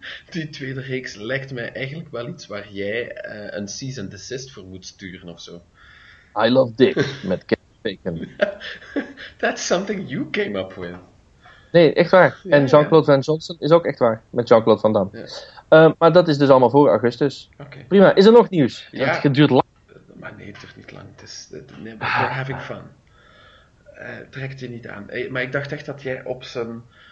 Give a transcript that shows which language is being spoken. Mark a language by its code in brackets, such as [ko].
[nl] Die tweede reeks lijkt mij eigenlijk wel iets waar jij een cease and desist voor moet sturen of zo. I Love Dick, met Kevin Bacon. [en] That's something you came up with. [nl] Nee, echt waar. Ja, en Jean-Claude Van Johnson is ook echt waar, met Jean-Claude Van Damme. Ja. Maar dat is dus allemaal voor augustus. Okay. Prima, is er nog nieuws? Ja. Het duurt lang. Maar nee, toch niet lang. Het is, nee, [en] we're having fun. [nl] Trek je niet aan. Maar ik dacht echt dat jij op zijn...